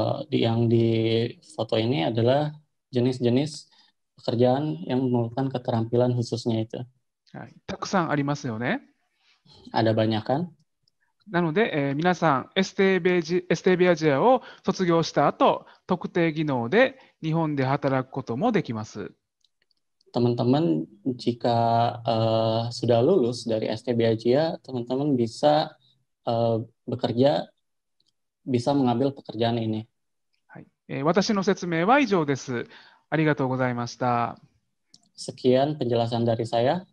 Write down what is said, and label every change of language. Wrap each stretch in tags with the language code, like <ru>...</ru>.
<id>Yang di foto ini adalah jenis-jenis pekerjaan yang memerlukan keterampilan khususnya itu.</id> <ja>たくさんありますよね。</ja> <id>Ada banyak kan?</id> <ja>なので、皆さん、STB アジアを卒業した後、特定技能で日本で働くこともできます。</ja> <id>Teman-teman, jika sudah lulus dari STB Asia, teman-teman bisa bekerja, bisa mengambil pekerjaan ini.</id> <ja>はい、私の説明は以上です。ありがとうございました。</ja> <id>Sekian penjelasan dari saya.</id>